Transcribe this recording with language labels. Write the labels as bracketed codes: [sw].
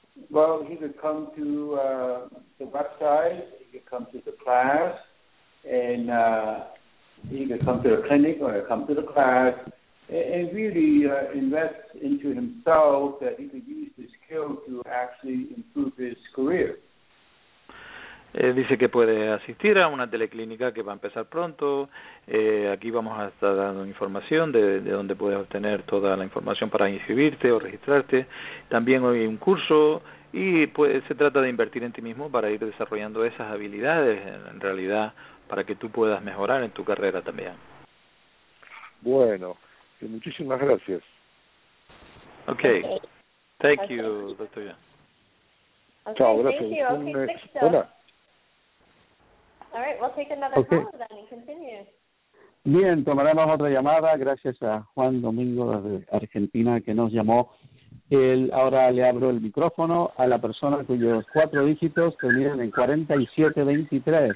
[en] Well, he could come to the website, he could come to the class, and he could come to the clinic or come to the class, and really invest into himself that he could use his skill to actually improve his career. [es] Dice que puede asistir a una teleclínica que va a empezar pronto. Aquí vamos a estar dando información de donde puedes obtener toda la información para inscribirte o registrarte. También hoy hay un curso y pues, se trata de invertir en ti mismo para ir desarrollando esas habilidades en realidad para que tú puedas mejorar en tu carrera también. Bueno. Muchísimas gracias. [en] Okay. Thank you, doctor. Okay, [es] chao, gracias. [en] Thank you. Okay, next. So. [es] Hola. [en] All right, we'll take another call then and continue. [es] Bien, tomaremos otra llamada. Gracias a Juan Domingo de Argentina que nos llamó. Ahora le abro el micrófono a la persona cuyos cuatro dígitos terminan en 4723.